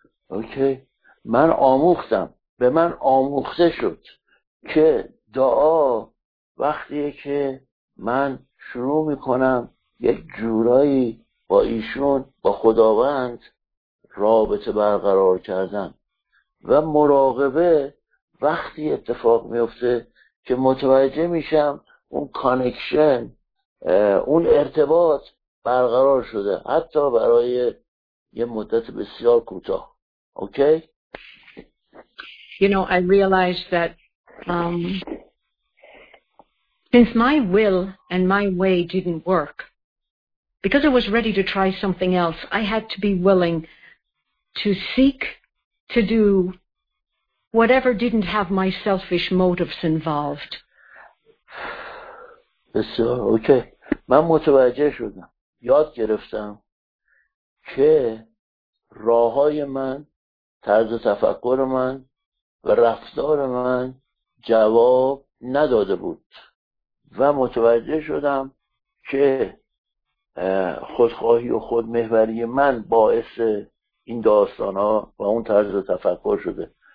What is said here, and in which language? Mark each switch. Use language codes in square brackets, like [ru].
[en] Okay. [fa] من آموختم. به من آموخته شد که دعا وقتی که من شروع میکنم یک جورایی با ایشون با خداوند رابطه برقرار کردن، و مراقبه وقتی اتفاق میفته که متوجه میشم اون کانکشن، اون ارتباط برقرار شده، حتی برای یه مدت بسیار کوتاه. اوکی؟ [en] You know, I realized that since my will and my way didn't work, because I was ready to try something else, I had to be willing to seek to do whatever didn't have my selfish motives involved. [fa] بسیار اوکی. من متوجه شدم، یاد گرفتم که راه‌های من، طرز تفکر من و رفتار من جواب نداده بود، و متوجه شدم که خودخواهی و خودمحوری من باعث این داستان ها و اون طرز تفکر شده.